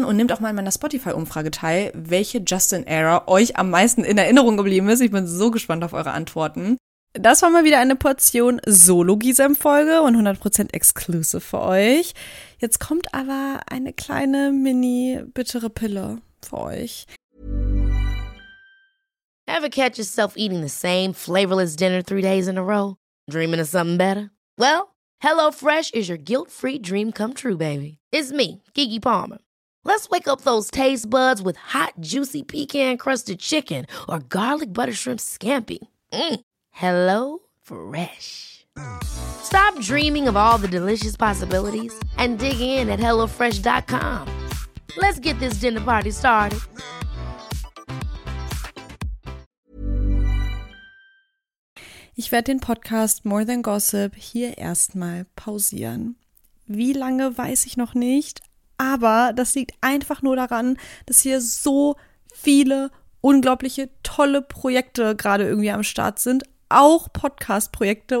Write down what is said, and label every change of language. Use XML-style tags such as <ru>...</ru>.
<de>Und nehmt auch mal in meiner Spotify-Umfrage teil, welche Justin-Era euch am meisten in Erinnerung geblieben ist. Ich bin so gespannt auf eure Antworten. Das war mal wieder eine Portion Solo-Gisem-Folge und 100% exclusive für euch. Jetzt kommt aber eine kleine mini-bittere Pille für euch.</de> <en>Ever catch yourself eating the same flavorless dinner 3 days in a row? Dreaming of something better? Well, HelloFresh is your guilt-free dream come true, baby. It's me, Keke Palmer. Let's wake up those taste buds with hot, juicy pecan-crusted chicken or garlic butter shrimp scampi. Mm. HelloFresh. Stop dreaming of all the delicious possibilities and dig in at HelloFresh.com. Let's get this dinner party started.</en> <de>Ich werde den Podcast More Than Gossip hier erstmal pausieren. Wie lange, weiß ich noch nicht, aber das liegt einfach nur daran, dass hier so viele unglaubliche, tolle Projekte gerade irgendwie am Start sind, auch Podcast-Projekte.</de>